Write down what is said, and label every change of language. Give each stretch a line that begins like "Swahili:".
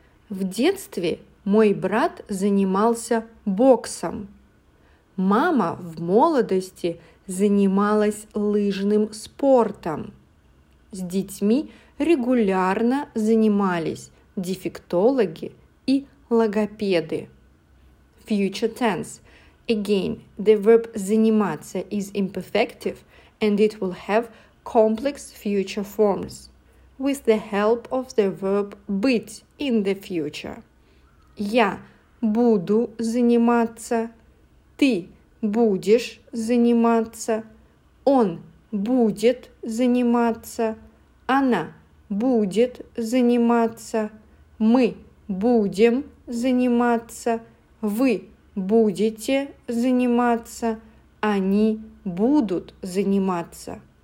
Russian: В детстве мой брат занимался боксом. Мама в молодости занималась лыжным спортом. С детьми регулярно занимались дефектологи и логопеды.
English: Future tense. Again, the verb заниматься is imperfective and it will have complex future forms with the help of the verb быть in the future.
Russian: Я буду заниматься. Ты будешь заниматься, он будет заниматься, она будет заниматься, мы будем заниматься, вы будете заниматься, они будут заниматься.